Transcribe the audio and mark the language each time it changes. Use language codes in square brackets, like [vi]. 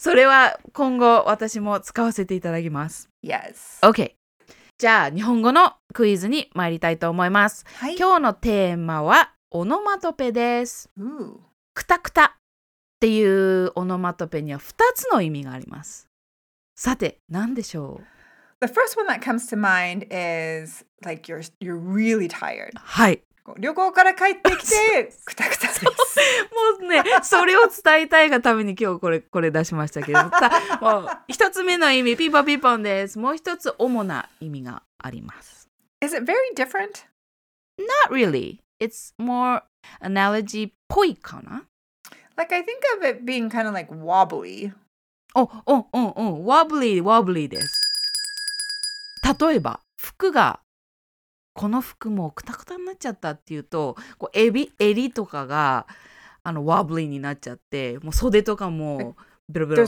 [ja] それは今後私も使わせていただきます。 [en] Yes. Okay. [ja] じゃあ日本語のクイズに参りたいと思います、はい、今日のテーマはオノマトペです。クタクタっていうオノマトペには2つの意味があります。さて何でしょう。 [en] The first one that comes to mind is like you're really tired. [ja] はい、旅行から帰ってきてクタクタです。もうね、それを伝えたいがために今日これ出しましたけど、さ、もう一つ目の意味ピーポーピーポンです。もう一つ主な意味があります。 [en] Is it very different? Not really. It's more analogy [ja] っぽいかな。 [en] Like I think of it being kind of like wobbly. Wobbly, wobbly です。 [ja] 例えば服が、この服もクタクタになっちゃったっていうと、こうエビ襟とかがあのワブリーになっちゃって、もう袖とかもブロブロ。